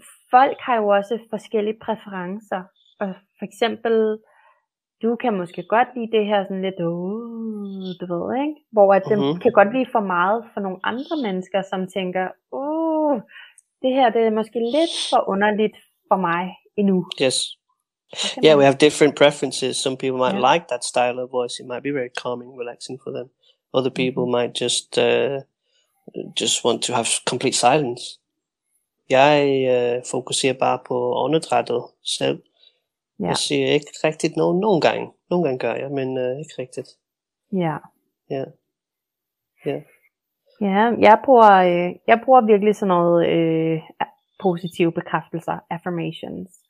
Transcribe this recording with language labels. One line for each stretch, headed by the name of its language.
Danish: Folk har jo også forskellige præferencer, og for eksempel, du kan måske godt lide det her sådan lidt, du ved, ikke? Hvor at det kan godt blive for meget for nogle andre mennesker, som tænker, det her det er måske lidt for underligt for mig endnu.
English: Yes. Yeah, we have different preferences. Some people might like that style of voice. It might be very calming, relaxing for them. Other people might just want to have complete silence.
Danish: Jeg fokuserer bare på åndedrættet selv. Ja. Jeg siger ikke rigtigt noget nogen gang. Nogle gange gør jeg, men ikke rigtigt. Ja. Ja. Ja. Ja, jeg bruger virkelig sådan noget positive bekræftelser, affirmations.